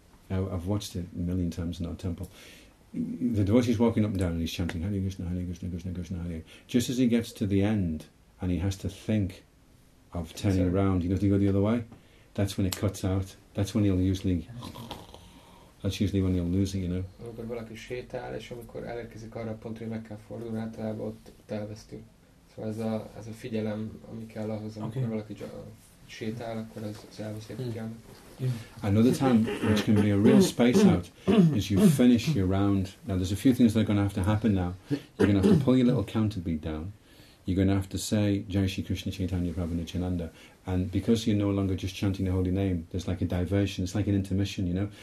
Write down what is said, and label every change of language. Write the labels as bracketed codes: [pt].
[en] I've watched it a million times in our temple. The devotee's walking up and down and he's chanting, Hare Krishna, Hare Krishna, Krishna Krishna, Hare. Just as he gets to the end and he has to think of turning around, you know, to go the other way, that's when it cuts out. That's when he'll usually... That's usually when he'll lose it, you know. [hu] Amikor valaki sétál, és amikor elérkezik arra a pontra, hogy meg kell fordulni, általában ott elvesztünk. Szóval ez a figyelem, ami kell ahhoz, amikor valaki sétál, akkor az elviszi a figyelmet. [en] Another time which can be a real space out is you finish your round. Now there's a few things that are going to have to happen now. You're going to have to pull your little counter bead down. You're going to have to say Jai Shri Krishna Chaitanya Prabhu Nityananda. And because you're no longer just chanting the holy name, there's like a diversion, it's like an intermission, you know.